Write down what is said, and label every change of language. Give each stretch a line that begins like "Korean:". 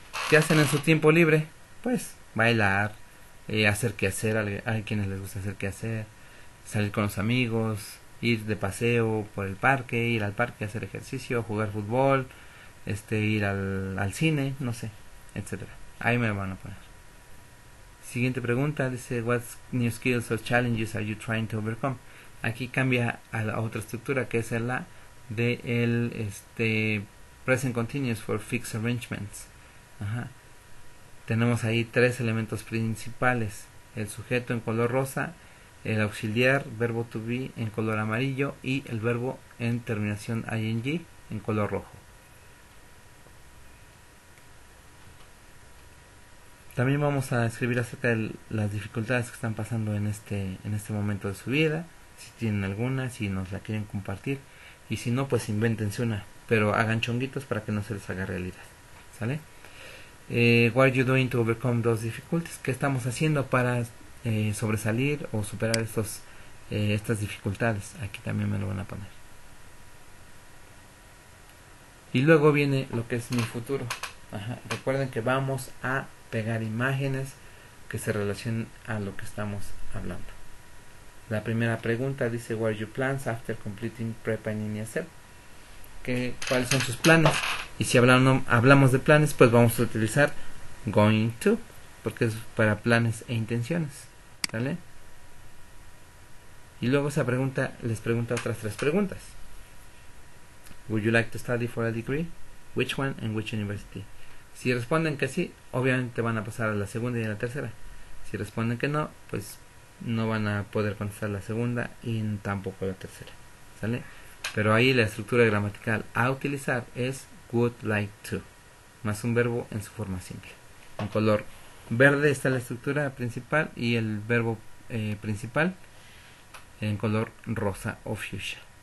Spanish: ¿Qué hacen en su tiempo libre? Pues bailar, hacer quehacer, hay quienes les gusta hacer quehacer, salir con los amigos, ir de paseo por el parque, ir al parque, hacer ejercicio, jugar fútbol, ir al cine, no sé, etcétera. Ahí me van a poner. Siguiente pregunta dice,
English: what new skills or challenges are you trying to overcome?
Spanish: Aquí cambia a otra estructura que es la de el present continuous for fixed arrangements. Ajá. Tenemos ahí tres elementos principales: el sujeto en color rosa, el auxiliar, verbo to be en color amarillo y el verbo en terminación ing en color rojo. También vamos a escribir acerca de las dificultades que están pasando en este momento de su vida, si tienen alguna, si nos la quieren compartir y si no, pues invéntense una, pero hagan chonguitos para que no se les haga realidad. ¿Sale?
English: What are you doing to overcome those difficulties?
Spanish: ¿Qué estamos haciendo para sobresalir o superar estas dificultades? Aquí también me lo van a poner. Y luego viene lo que es mi futuro. Ajá. Recuerden que vamos a pegar imágenes que se relacionen a lo que estamos hablando. La primera pregunta dice,
English: what are your plans after completing
Spanish: prepa en línea SEP? ¿Cuáles son sus planes? Y si hablamos de planes, pues vamos a utilizar going to, porque es para planes e intenciones. ¿Sale? Y luego esa pregunta les pregunta otras tres preguntas.
English: Would you like to study for a degree? Which one and which university?
Spanish: Si responden que sí, obviamente van a pasar a la segunda y a la tercera. Si responden que no, pues no van a poder contestar la segunda y tampoco la tercera. ¿Sale? Pero ahí la estructura gramatical a utilizar es would like to, más un verbo en su forma simple. En color verde está la estructura principal y el verbo principal en color rosa o fucsia.